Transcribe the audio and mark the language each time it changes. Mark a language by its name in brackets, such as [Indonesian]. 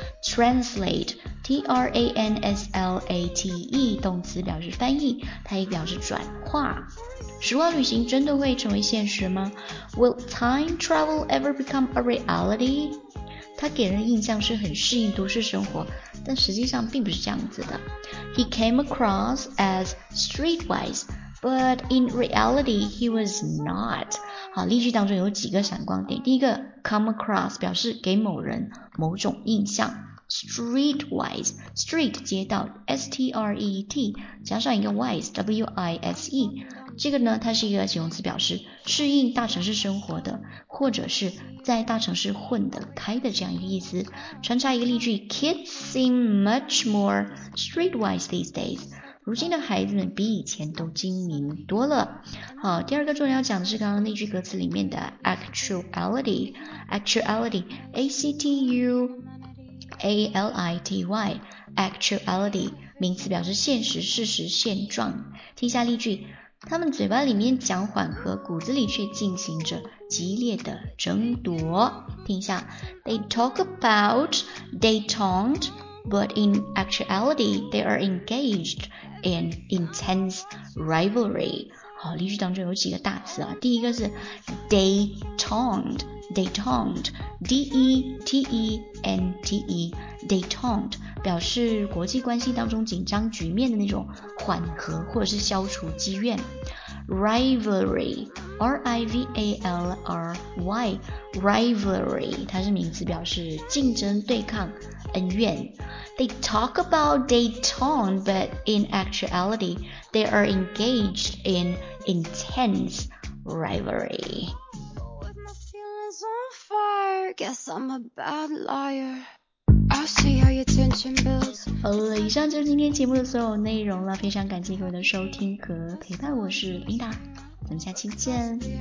[Chinese] Translate，T-R-A-N-S-L-A-T-E， 动词表示翻译，它也表示转化。时光旅行真的会成为现实吗？ [English] Will time travel ever become a reality? [Chinese] 它给人印象是很适应都市生活，但实际上并不是这样子的。 [English] He came across as streetwise, but in reality he was not。 [Chinese] 好，例句当中有几个闪光点。第一个 come across 表示给某人某种印象，streetwise, street 街道 S-T-R-E-T 加上一个 wise, W-I-S-E， 这个呢它是一个形容词，表示适应大城市生活的，或者是在大城市混得开的这样一个意思。穿插一个例句， [English] Kids seem much more streetwise these days， [Chinese] 如今的孩子们比以前都精明多了。好，第二个重点要讲的是刚刚那句歌词里面的 actuality， actuality， A-C-T-U A-L-I-T-Y， actuality， 名词表示现实事实现状。听下例句，他们嘴巴里面讲缓和，骨子里却进行着激烈的争夺。听下， [English] They talk about détente, but in actuality they are engaged in intense rivalry。 [Chinese] 好，例句当中有几个大词啊，第一个是 détente，Détente, D-E-T-E-N-T-E, Détente, 表示国际关系当中紧张局面的那种缓和或者是消除积怨。Rivalry, rivalry, rivalry， 它是名词，表示竞争、对抗、恩怨。 [English] They talk about Dayton, but in actuality, they are engaged in intense rivalry. With my feelings on fire, guess I'm a bad liar. I'll see how your tension builds. [Chinese] 好了，以上就是今天节目的所有内容了，非常感谢各位的收听和陪伴，我是琳达，咱们下期见。